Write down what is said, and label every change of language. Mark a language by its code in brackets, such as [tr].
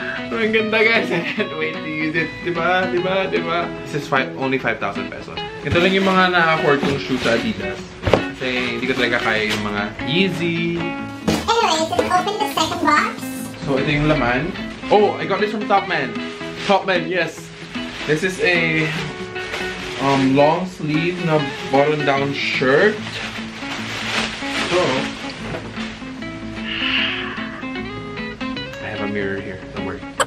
[en] So, [tl] ang ganda [en] guys, I can't wait to use it, [tl] diba? [en] This is only 5,000 pesos. [tl] Ito lang yung mga na-afford kong shoes sa Adidas. Kasi hindi ko talaga kaya yung mga Yeezy. [en] Anyways, open the second box. [tl] So ito yung laman. [en] Oh, I got this from Topman. Topman, yes. This is a long sleeve na button down shirt. So, I have a mirror here. Don't worry.